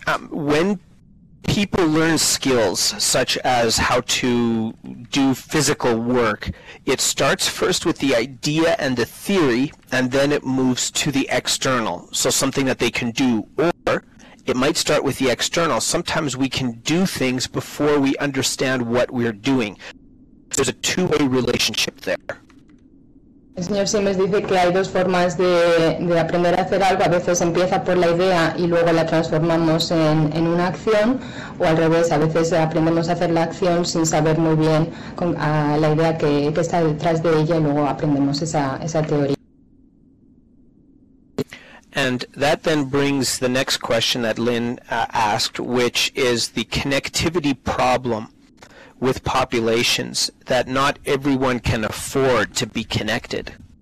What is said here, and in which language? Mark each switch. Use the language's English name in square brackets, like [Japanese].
[English] When people learn skills such as how to do physical work, it starts first with the idea and the theory, and then it moves to the external, so something that they can do. Or it might start with the external. Sometimes we can do things before we understand what we're doing. There's a two-way relationship there. [Spanish] El señor Simmons dice que hay dos formas de aprender a hacer algo. A veces empieza por la idea y luego la transformamos en una acción, o al revés, a veces aprendemos a hacer la acción sin saber muy bien a la idea que está detrás de ella, y luego aprendemos esa teoría. [English] And that then brings the next question that Lynn asked, which is the connectivity problem with populations that not everyone can afford to be connected.